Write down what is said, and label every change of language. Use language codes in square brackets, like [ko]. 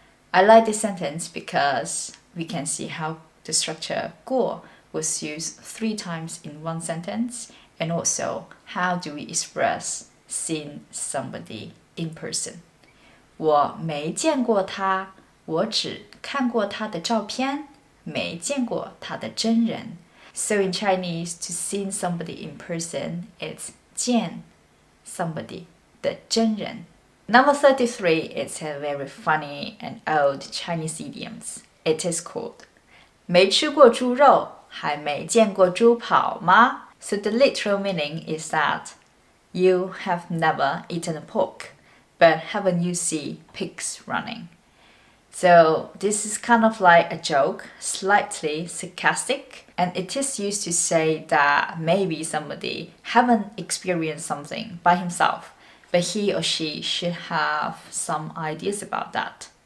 [en] I like this sentence because we can see how the structure 过 was used 3 times in one sentence, and also how do we express seeing somebody in person. [zh] 我没见过他，我只看过他的照片。没见过他的真人。 [en] So in Chinese, to see somebody in person, it's 见 somebody [zh] 的真人。 [en] Number 33, it's a very funny and old Chinese idiom. It is called [zh] 没吃过猪肉，还没见过猪跑吗？ [en] So the literal meaning is that you have never eaten a pork, but haven't you seen pigs running? So this is kind of like a joke, slightly sarcastic, and it is used to say that maybe somebody haven't experienced something by himself, but he or she should have some ideas about that.